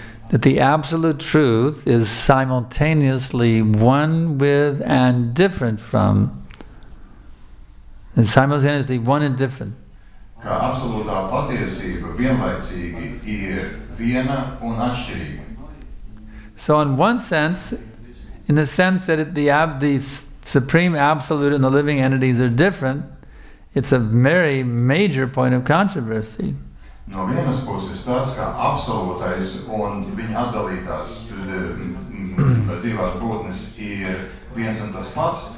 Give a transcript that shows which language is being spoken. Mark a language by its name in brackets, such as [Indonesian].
[English] That the absolute truth is simultaneously one with and different from and simultaneously one and different. [Latvian] Ka absolūtā patiesība vienlaicīgi ir viena un atšķirīga. [English] So in one sense, in the sense that the Supreme Absolute and the living entities are different, it's a very major point of controversy. [Latvian] No vienas puses tas, ka absolūtais un viņa atdalītās dzīvās būtnes ir viens un tas pats.